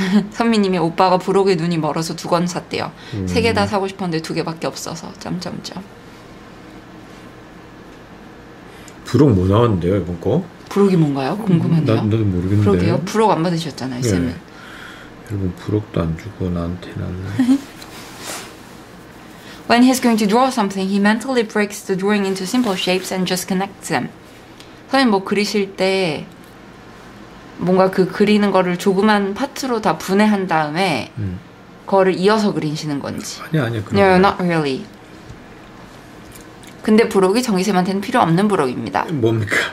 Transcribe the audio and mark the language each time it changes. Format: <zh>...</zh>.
<ko>선미님이 오빠가 부록의 눈이 멀어서 두 권 샀대요. 세 개 다 사고 싶었는데 두 개밖에 없어서 점점점. 부록 뭐 나왔는데요 이번 거? 부록이 뭔가요? 궁금하네요. 나도 모르겠는데. 부록이요? 부록 안 받으셨잖아요. 쌤은. 예. 여러분 부록도 안 주고 나한테 나는.</ko> <en>When he's going to draw something, he mentally breaks the drawing into simple shapes and just connects them.</en> <ko>선생님 뭐 그리실 때 뭔가 그 그리는 거를 조그만 파트로 다 분해한 다음에 그거를 이어서 그리시는 건지. 아니요.</ko> <en>No, not really.</en> <ko>근데 부록이 정희쌤한테는 필요 없는 부록입니다. 뭡니까?</ko>